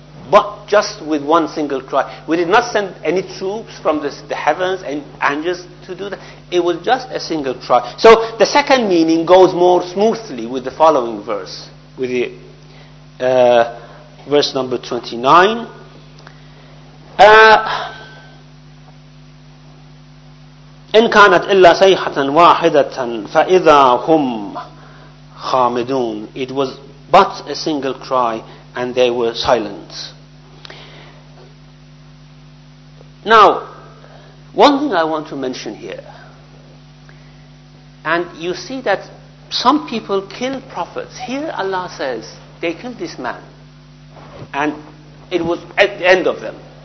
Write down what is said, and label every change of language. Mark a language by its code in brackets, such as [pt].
[en] But just with one single cry. We did not send any troops from the heavens and angels to do that. It was just a single cry. So the second meaning goes more smoothly with the following verse, with verse number 29. [ar] إن كانت إلا صيحة واحدة فإذا هم خامدون. [en] It was but a single cry and they were silent. Now, one thing I want to mention here, and you see that some people kill prophets. Here Allah says they killed this man and it was at the end of them.